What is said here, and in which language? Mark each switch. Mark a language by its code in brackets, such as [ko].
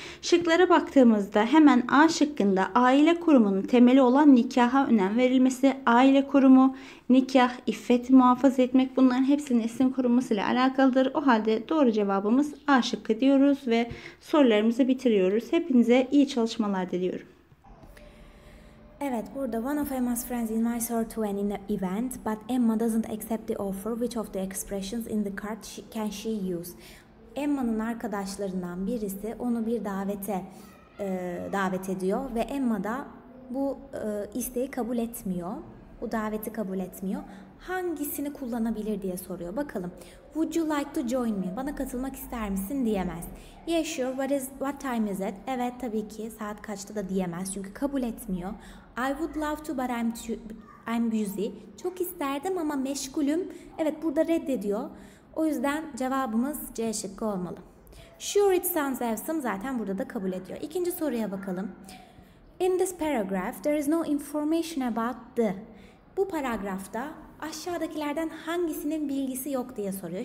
[tr] Şıklara baktığımızda hemen A şıkkında aile kurumunun temeli olan nikaha önem verilmesi, aile kurumu, nikah, iffet muhafaza etmek bunların hepsi neslin korunmasıyla alakalıdır. O halde doğru cevabımız A şıkkı diyoruz ve sorularımızı bitiriyoruz. Hepinize iyi çalışmalar diliyorum. Evet, burada [en] one of Emma's friends invites her to an event, but Emma doesn't accept the offer. Which of the expressions in the card can she use? [tr] Emma'nın arkadaşlarından birisi onu bir davete davet ediyor ve Emma da bu isteği kabul etmiyor. Bu daveti kabul etmiyor. Hangisini kullanabilir diye soruyor. Bakalım. [en] Would you like to join me? [tr] Bana katılmak ister misin diyemez. [en] Yeah, sure. What time is it? [tr] Evet, tabii ki. Saat kaçta da diyemez çünkü kabul etmiyor. [en] I would love to but I'm busy. [tr] Çok isterdim ama meşgulüm. Evet, burada reddediyor. O yüzden cevabımız C şıkkı olmalı. [en] Sure it sounds awesome. [tr] Zaten burada da kabul ediyor. İkinci soruya bakalım. [en] In this paragraph there is no information about the. [tr] Bu paragrafta aşağıdakilerden hangisinin bilgisi yok diye soruyor.